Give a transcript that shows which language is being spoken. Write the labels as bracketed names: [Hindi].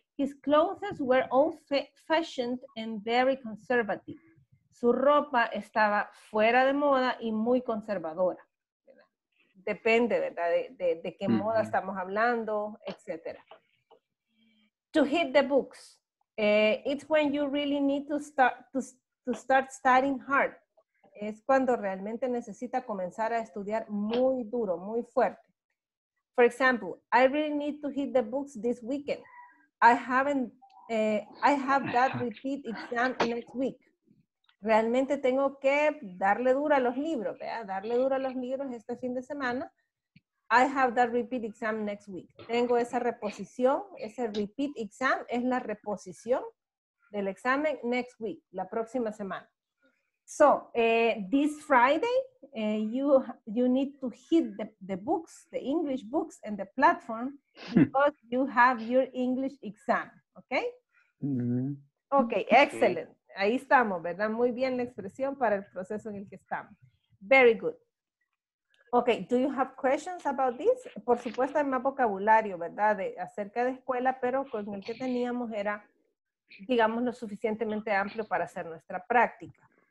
[English] His clothes were old fashioned and very conservative. [Spanish] Su ropa estaba fuera de moda y muy conservadora. Depende, ¿verdad? De qué moda estamos hablando, etc. [English] To hit the books. It's when you really need to start studying hard. [Spanish] Es cuando realmente necesita comenzar a estudiar muy duro, muy fuerte. [English] For example, I really need to hit the books this weekend. I have that repeat exam next week. [Spanish] Realmente tengo que darle duro a los libros, ¿vea? Darle duro a los libros este fin de semana. [English] I have that repeat exam next week. [Spanish] Tengo esa reposición, ese repeat exam es la reposición del examen [English] next week, [Spanish] la próxima semana. [English] So, this Friday, you need to hit the books, the English books and the platform because you have your English exam, okay? Mm-hmm. Okay, excellent. Okay. [Spanish] Ahí estamos, ¿verdad? Muy bien la expresión para el proceso en el que estamos. [English] Very good. Okay, do you have questions about this? [Spanish] Por supuesto, hay más vocabulario, ¿verdad? Acerca de escuela, pero con el que teníamos era, digamos, lo suficientemente amplio para hacer nuestra práctica.